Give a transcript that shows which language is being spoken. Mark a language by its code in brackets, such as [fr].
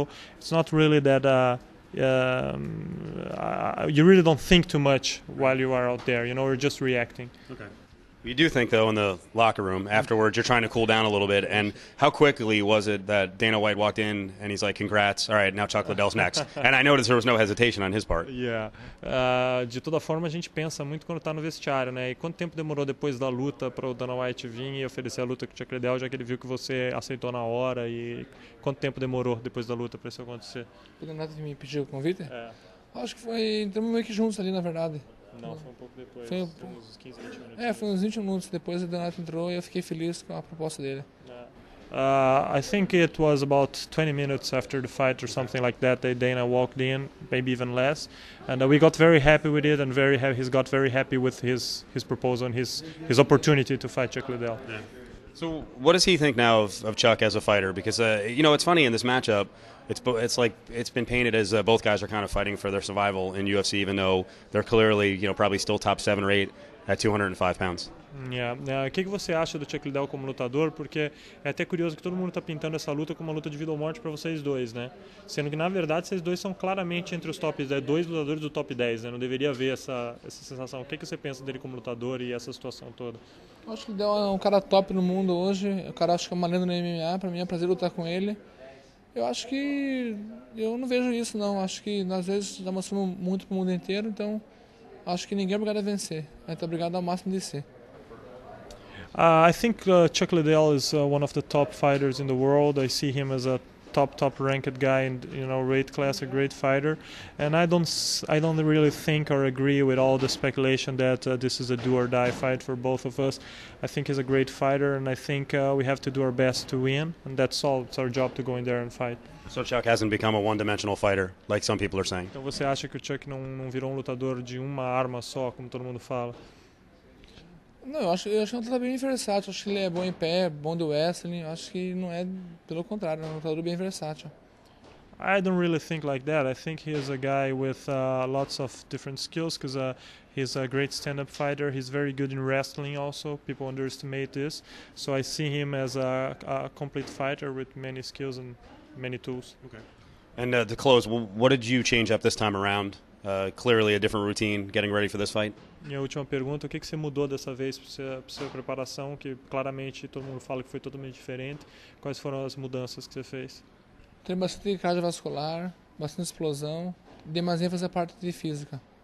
[en] So it's not really that you really don't think too much while you are out there. You know, you're just reacting. Okay. You do think, though, in the locker room afterwards, you're trying to cool down a little bit. And how quickly was it that Dana White walked in and he's like, congrats, all right, now Chuck Liddell's next? And I noticed there was no hesitation on his part. Yeah. [pt] De toda forma, a gente pensa muito quando está no vestiário, né? E quanto tempo demorou depois da luta para o Dana White vir e oferecer a luta com o Chuck Liddell, já que ele viu que você aceitou na hora? E quanto tempo demorou depois da luta para isso acontecer? O Dana White me pediu o convite? Acho que foi, entramos meio que juntos ali, na verdade. Não, foi um pouco depois, foi uns 15, 20 minutos. Foi uns 20 minutos depois o Donato entrou e eu fiquei feliz com a proposta dele. [en] I think it was about 20 minutes after the fight or something like that that Dana walked in, maybe even less. And we got very happy with it and he got very happy with his proposal and his opportunity to fight Chuck Liddell. Yeah. So what does he think now of Chuck as a fighter? Because, you know, it's funny in this matchup, it's been painted as both guys are kind of fighting for their survival in UFC, even though they're clearly, you know, probably still top 7 or 8 at 205 pounds. [pt] Que você acha do Chuck Liddell como lutador? Porque é até curioso que todo mundo está pintando essa luta como uma luta de vida ou morte para vocês dois, né? Sendo que, na verdade, vocês dois são claramente entre os top 10, dois lutadores do top 10, né? Não deveria haver essa sensação. O que você pensa dele como lutador e essa situação toda? Eu acho que o Liddell é um cara top no mundo hoje. O cara acho que é uma lenda no MMA. Para mim é um prazer lutar com ele. Eu acho que... eu não vejo isso, não. Acho que, às vezes, está mostrando muito para o mundo inteiro. Então, acho que ninguém é obrigado a vencer. A gente é obrigado ao máximo de ser. [en] I think Chuck Liddell is one of the top fighters in the world. I see him as a top ranked guy in, you know, weight class, a great fighter. And I don't really think or agree with all the speculation that this is a do or die fight for both of us. I think he's a great fighter, and I think we have to do our best to win. And that's all. It's our job to go in there and fight. So Chuck hasn't become a one-dimensional fighter, like some people are saying. [pt] Então você acha que o Chuck não virou um lutador de uma arma só, como todo mundo fala? Não, eu acho que é um lutador bem versátil. Acho que ele é bom em pé, bom do wrestling. Acho que não é, pelo contrário, é um lutador bem versátil. [en] I don't really think like that. I think he is a guy with lots of different skills because he's a great stand-up fighter. He's very good in wrestling also. People underestimate this. So I see him as a complete fighter with many skills and many tools. Okay. And to close, what did you change up this time around? Clearly a different routine, getting ready for this fight. [pt] Minha última pergunta, o que você mudou dessa vez para sua preparação, que claramente todo mundo fala que foi totalmente diferente. Quais foram as mudanças que você fez? Tem bastante cardiovascular, bastante explosão, dei mais ênfase à parte de física.